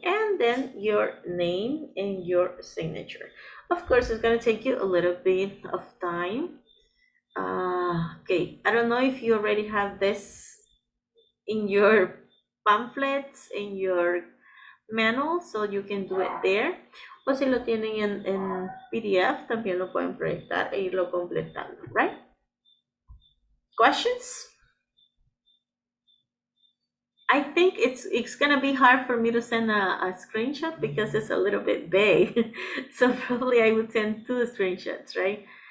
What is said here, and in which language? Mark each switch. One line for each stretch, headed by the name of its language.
English: And then your name and your signature. Of course, it's going to take you a little bit of time. Okay, I don't know if you already have this in your pamphlets, in your manual, so you can do it there.
Spanish: O si lo tienen en PDF, también lo pueden proyectar e irlo completando,
English: right? Questions? I think it's gonna be hard for me to send a screenshot because it's a little bit big. So probably I would send two screenshots, right?